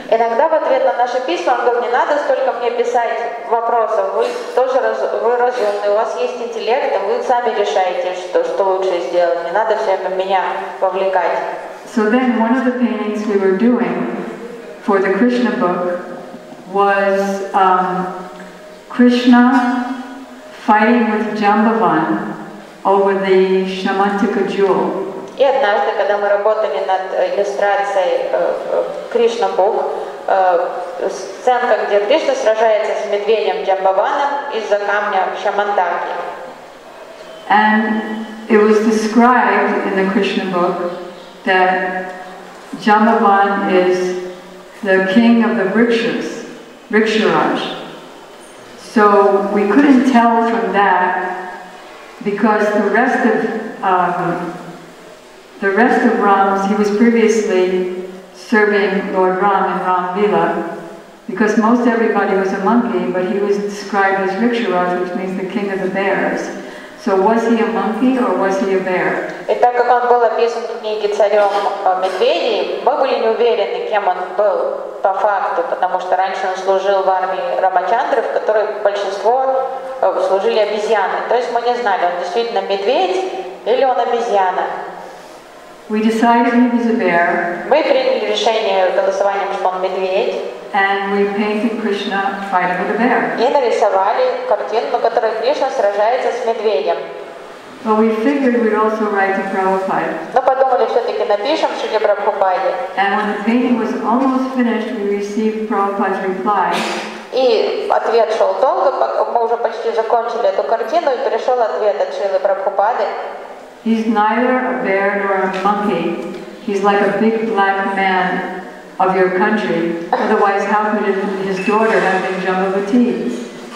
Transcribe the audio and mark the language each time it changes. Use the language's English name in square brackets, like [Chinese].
[Russian] Иногда в ответ на наши письма он говорит, не надо столько мне писать вопросов, вы разумны, у вас есть интеллект, вы сами решаете, что лучше сделать, не надо все это меня вовлекать. [English] So then one of the paintings we were doing for the Krishna book was Krishna fighting with Jambavan over the Shamantika jewel. [Russian] И однажды, когда мы работали над иллюстрацией Кришна Бук, сценка, где Кришна сражается с медведем Джамбаваном из-за камня Шамантаки. [English] And it was described in the Krishna book that Jambavan is the king of the Vrikshas. Vriksharaj. So we couldn't tell from that because the rest of Ram's, he was previously serving Lord Ram in Ram Lila, because most everybody was a monkey, but he was described as Vriksharaj, which means the king of the bears. So was he a monkey or was he a bear? [Russian] И так как он был описан в книге царем медведей, мы были не уверены, кем он был по факту, потому что раньше он служил в армии Рамачандры, в которой большинство служили обезьяны. То есть мы не знали, он действительно медведь или он обезьяна. [English] We decided he was a bear. [Russian] Мы приняли решение голосованием, что он медведь. [English] And we painted Krishna fighting with a bear. [Russian] И нарисовали картину, на которой Кришна сражается с медведем. [English] But we figured we'd also write to Prabhupada. [Russian] Но подумали, все-таки напишем Шриле Прабхупаде. [English] And when the painting was almost finished, we received Prabhupada's reply. [Russian] И ответ шел долго, мы уже почти закончили эту картину, и пришел ответ от Шрилы Прабхупады. [English] He's neither a bear nor a monkey. He's like a big black man of your country. Otherwise, how could his daughter have been Jambavati?